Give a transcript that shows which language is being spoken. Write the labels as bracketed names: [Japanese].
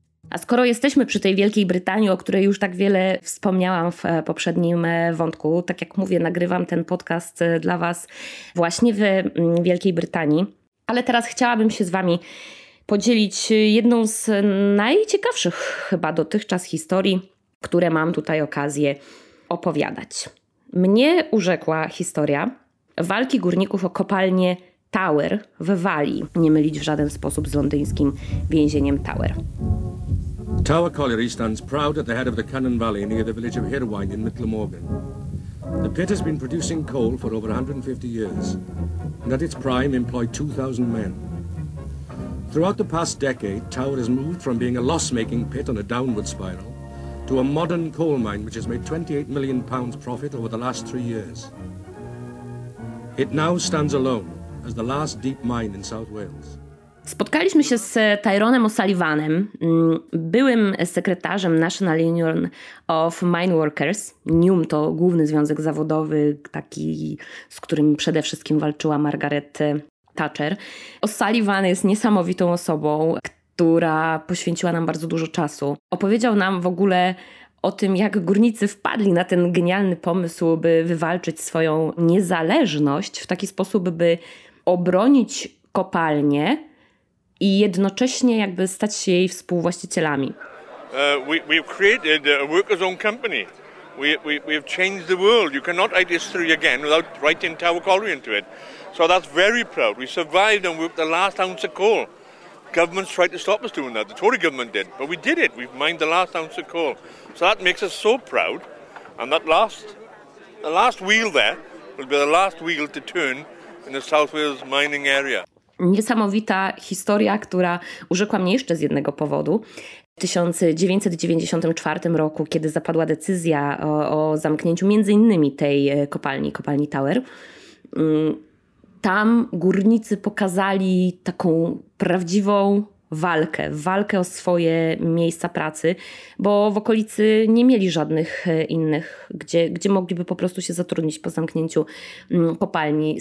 [Polish] A skoro jesteśmy przy tej Wielkiej Brytanii, o której już tak wiele wspomniałam w poprzednim wątku, tak jak mówię, nagrywam ten podcast dla Was właśnie w Wielkiej Brytanii, ale teraz chciałabym się z Wami podzielić jedną z najciekawszych chyba dotychczas historii, które mam tutaj okazję opowiadać. Mnie urzekła historia walki górników o kopalnię Tower w Walii. Nie mylić w żaden sposób z londyńskim więzieniem Tower. [English] Tower Colliery stands proud at the head of the Cannon Valley near the village of Hirwaun in Micklemorgan. The pit has been producing coal for over 150 years and at its prime employed 2,000 men. Throughout the past decade, Tower has moved from being a loss-making pit on a downward spiral to a modern coal mine which has made £28 million profit over the last 3 years. It now stands alone as the last deep mine in South Wales. [Polish] Spotkaliśmy się z Tyronem O'Sullivanem, byłym sekretarzem National Union of Mine Workers. NUM to główny związek zawodowy, taki, z którym przede wszystkim walczyła Margaret Thatcher. O'Sullivan jest niesamowitą osobą, która poświęciła nam bardzo dużo czasu. Opowiedział nam w ogóle o tym, jak górnicy wpadli na ten genialny pomysł, by wywalczyć swoją niezależność w taki sposób, by obronić kopalnię i jednocześnie jakby stać się jej współwłaścicielami. [English] We've created a workers' own company. We've changed the world. You cannot write history again without writing Tower Colliery into it. So that's very proud. We survived and worked the last ounce of coal. Governments tried to stop us doing that. The Tory government did. But we did it. We've mined the last ounce of coal. So that makes us so proud. And that last wheel there will be the last wheel to turn in the South Wales mining area. [Polish] niesamowita historia, która urzekła mnie jeszcze z jednego powodu. W 1994 roku, kiedy zapadła decyzja o zamknięciu między innymi tej kopalni, kopalni Tower, tam górnicy pokazali taką prawdziwą walkę, walkę o swoje miejsca pracy, bo w okolicy nie mieli żadnych innych, gdzie mogliby po prostu się zatrudnić po zamknięciu kopalni.